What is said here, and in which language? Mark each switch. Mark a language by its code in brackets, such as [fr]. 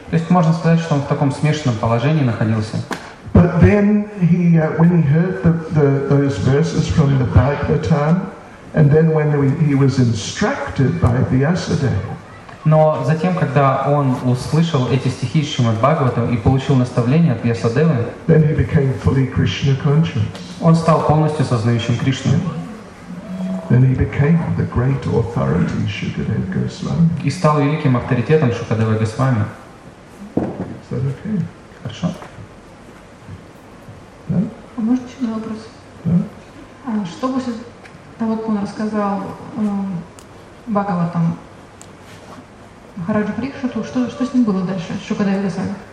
[ru] То есть можно сказать, что он в таком смешанном положении находился. [en] But then he, when he heard those verses from the Bhagavatam, and then when he was instructed by Vyasadeva. [ru] Но затем, когда он услышал эти стихи из Шримад Бхагаватам и получил наставление от Вьясадевы, [en] then he became fully Krishna conscious. [ru] Он стал полностью сознающим Кришну. [en] Then he became the great authority Shukadev Goswami. [ru] И стал великим авторитетом Шукадева Госвами. [en] Is that okay? [ru] Хорошо. Да? А может еще один вопрос? Да. А что после того, как он рассказал Бхагаватам Махараджу Парикшиту, что с ним было дальше с Шукадева Госвами?